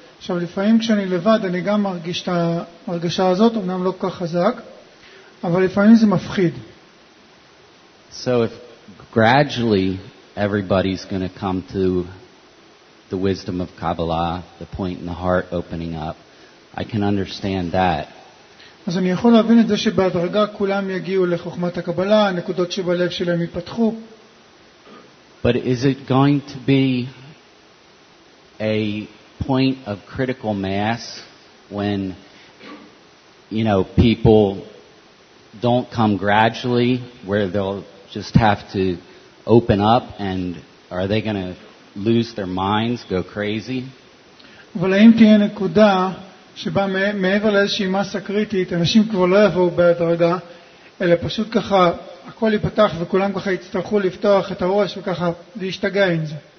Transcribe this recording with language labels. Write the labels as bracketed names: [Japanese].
[Hebrew] עכשיו לפעמים כשאני לבד אני גם מרגיש את הרגשה הזאת, אמנם לא כל כך חזק, אבל לפעמים זה מפחיד. [English] So if gradually everybody's going to come to the wisdom of Kabbalah, the point in the heart opening up, I can understand that. [Hebrew] אז אני יכול להבין את זה שבהדרגה כולם יגיעו לחוכמת הקבלה, הנקודות שבלב שלהם יפתחו. [English] But is it going to be a point of critical mass when, you know, people don't come gradually, where they'll just have to open up, and are they going to lose their minds, go crazy? [Hebrew] אבל האם תהיה נקודה שבה מעבר לאיזושהי מסה קריטית אנשים כבר לא יבואו בהדרגה, אלא פשוט ככה הכל ייפתח וכולם ככה יצטרכו לפתוח את הראש וככה להשתגע עם זה?